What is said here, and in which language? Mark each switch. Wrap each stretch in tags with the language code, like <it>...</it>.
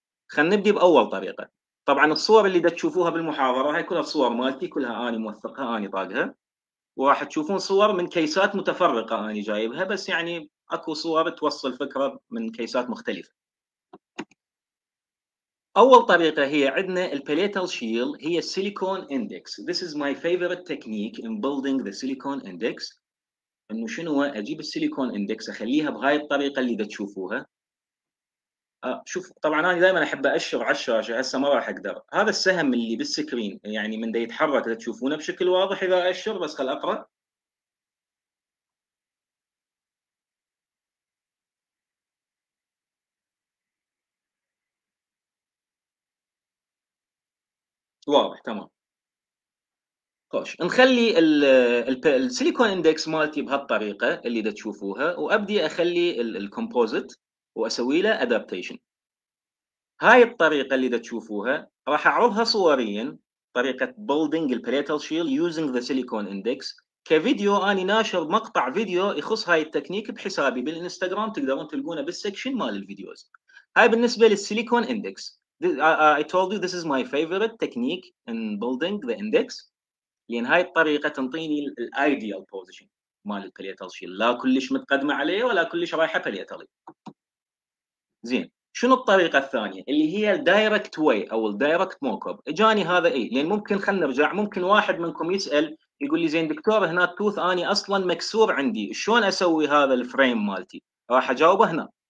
<ar>خلينا نبدا باول طريقه. طبعا الصور اللي دا تشوفوها بالمحاضره هاي كلها صور مالتي، كلها اني موثقها اني طاقها، وراح تشوفون صور من كيسات متفرقه اني جايبها، بس يعني اكو صور توصل فكره من كيسات مختلفه. اول طريقه هي عندنا الباليتال شيلد، هي السيليكون اندكس.</ar> <en>This is my favorite technique in building the silicon index.</en> <ar>انه شنو اجيب السيليكون اندكس اخليها بهاي الطريقه اللي دا تشوفوها. شوف طبعا انا دائما احب اشر على الشاشه، هسه ما راح اقدر. هذا السهم اللي بالسكرين، يعني من دا يتحرك دا تشوفونه بشكل واضح اذا اشر، بس خل اقرا. واضح تمام. خوش، نخلي السيليكون اندكس مالتي بهالطريقه اللي دا تشوفوها، وابدي اخلي الكومبوزيت واسوي له ادابتيشن. هاي الطريقه اللي دا تشوفوها راح اعرضها صوريا، طريقه</ar> <en>building الباليتال shell using the silicone index,</en> <ar>كفيديو اني ناشر مقطع فيديو يخص هاي التكنيك بحسابي بالانستغرام، تقدرون تلقونه بالسكشن مال الفيديوز. هاي بالنسبه للسيليكون اندكس.</ar> <en>I told you this is my favorite technique in building the index.</en> <ar>لأن هاي الطريقة تنطيني الـ ideal position مال الباليتال شيل، لا كلش متقدمة عليه ولا كلش رايحة باليتالي. زين، شنو الطريقة الثانية اللي هي الـ direct way أو الـ direct mockup؟ إجاني هذا إيه؟ لأن ممكن خلنا نرجع، ممكن واحد منكم يسأل يقول لي زين دكتور هنا التوث أني أصلاً مكسور عندي، شلون أسوي هذا الفريم مالتي؟ راح أجاوبه هنا.</ar>